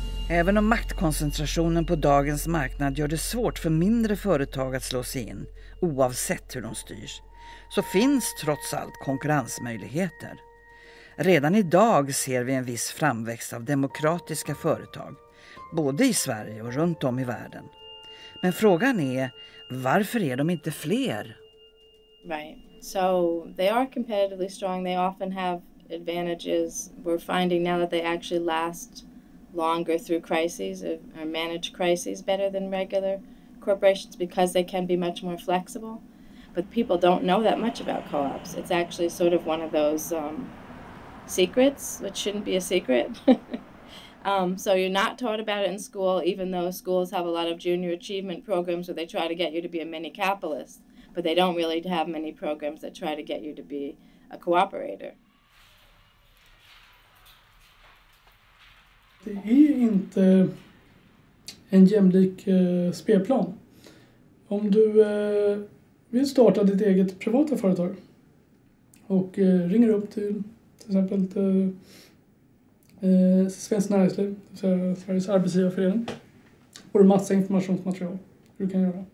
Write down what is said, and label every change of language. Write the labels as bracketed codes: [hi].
[sv] Även om maktkoncentrationen på dagens marknad gör det svårt för mindre företag att slå sig in, oavsett hur de styrs, så finns trots allt konkurrensmöjligheter. Redan idag ser vi en viss framväxt av demokratiska företag, både i Sverige och runt om i världen. Men frågan är, varför är de inte fler? [en] Right. So they are competitively strong. They often have advantages. We're finding now that they actually last longer through crises or manage crises better than regular corporations because they can be much more flexible. But people don't know that much about co-ops. It's actually sort of one of those secrets, which shouldn't be a secret. So you're not taught about it in school, even though schools have a lot of junior achievement programs where they try to get you to be a mini capitalist, but they don't really have many programs that try to get you to be a cooperator. [sv] Det är inte en jämlik spelplan. Om du vill starta ditt eget privata företag och ringer upp till exempel till Svenskt Näringsliv, Sveriges arbetsgivarförening, får du massa informationsmaterial hur du kan göra.